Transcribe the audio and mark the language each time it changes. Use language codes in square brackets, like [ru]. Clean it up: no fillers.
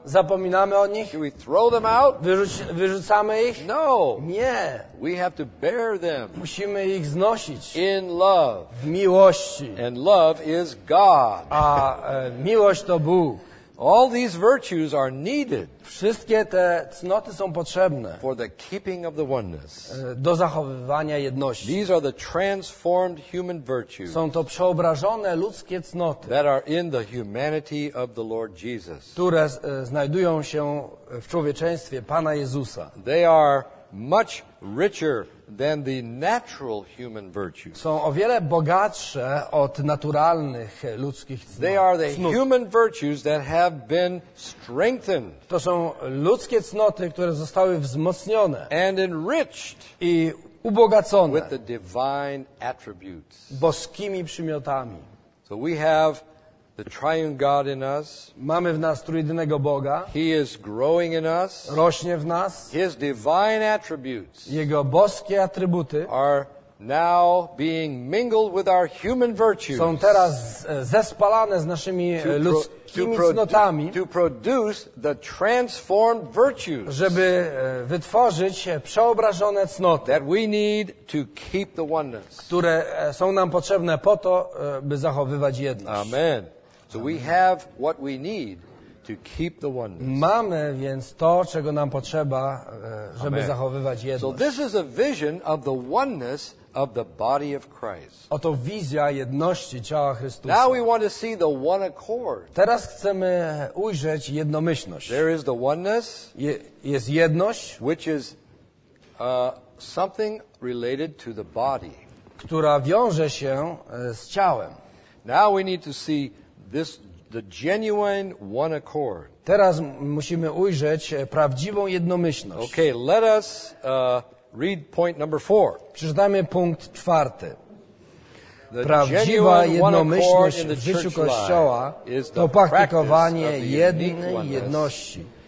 [pl] Zapominamy o nich? [en] Should we throw them out? [pl] Wyrzucamy ich? [en] No. [pl] Nie. [en] We have to bear them. [pl] Musimy ich znosić. [en] In love. [pl] W miłości. [en] And love is God. [pl] A miłość to Bóg. [en] All these virtues are needed. [pl] Wszystkie te cnoty są potrzebne. [en] For the keeping of the oneness. [pl] Do zachowywania jedności. [en] These are the transformed human virtues. [pl] Są to przeobrażone ludzkie cnoty. [en] That are in the humanity of the Lord Jesus. [pl] Które znajdują się w człowieczeństwie Pana Jezusa. [en] They are much richer than the natural human virtues. [pl] Są o wiele bogatsze od naturalnych ludzkich cnot. [en] They are the human virtues that have been strengthened. [pl] To są ludzkie cnoty, które zostały wzmocnione. [en] And enriched. [pl] I ubogacone. [en] With the divine attributes. [pl] Boskimi przymiotami. [en] So we have the triune God in us. [pl] Mamy w nas trójjedynego Boga. [en] He is growing in us. [pl] Rośnie w nas. [en] His divine attributes. [pl] Jego boskie atrybuty [en] are now being mingled with our human virtues. [pl] Są teraz zespalane z naszymi ludzkimi cnotami. [en] To produce the transformed virtues. [pl] Żeby wytworzyć przeobrażone cnoty. [en] That we need to keep the oneness. [pl] Które są nam potrzebne po to, by zachowywać jedność. [en] Amen. So we have what we need to keep the oneness. [pl] Mamy więc to, czego nam potrzeba, żeby Amen. Zachowywać jedność. [en] So this is a vision of the oneness of the body of Christ. [pl] Oto wizja jedności ciała Chrystusa. [en] Now we want to see the one accord. [pl] Teraz chcemy ujrzeć jednomyślność. [en] There is the oneness, [pl] jest jedność, [en] which is something related to the body, [pl] która wiąże się z ciałem. [en] Now we need to see this the genuine one accord. [pl] Teraz musimy ujrzeć prawdziwą jednomyślność. [en] Okay, let us read point number 4. [pl] Przeczytajmy punkt czwarty. prawdziwa jednomyślność w życiu Kościoła to praktykowanie jednej jedności.